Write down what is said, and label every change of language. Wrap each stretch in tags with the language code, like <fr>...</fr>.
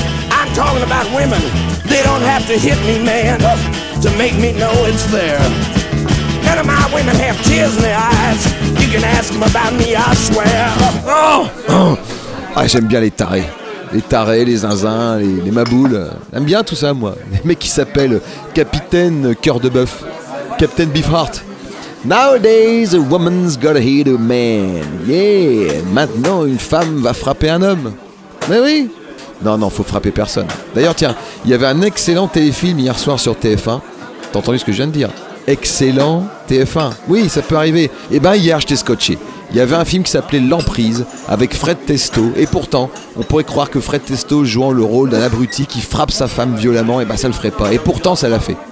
<en>I'm talking about women. They don't have to hit me, man, to make me know it's there. None of my women have tears in their eyes. You can ask them about me, I swear.</en> <fr>Oh, ah, j'aime bien les tarés. Les tarés, les zinzins, les maboules. J'aime bien tout ça, moi. Les mecs qui s'appellent Capitaine Cœur de Bœuf.</fr> <en>Captain Beefheart. Nowadays, a woman's gotta hit a man.</en> <fr>Yeah, maintenant, une femme va frapper un homme. Mais oui. Non, non, faut frapper personne. D'ailleurs, tiens, il y avait un excellent téléfilm hier soir sur TF1. T'as entendu ce que je viens de dire? Excellent TF1. Oui, ça peut arriver. Eh ben, hier, j'étais scotché. Il y avait un film qui s'appelait L'Emprise, avec Fred Testo. Et pourtant, on pourrait croire que Fred Testo jouant le rôle d'un abruti qui frappe sa femme violemment, eh ben, ça le ferait pas. Et pourtant, ça l'a fait.</fr>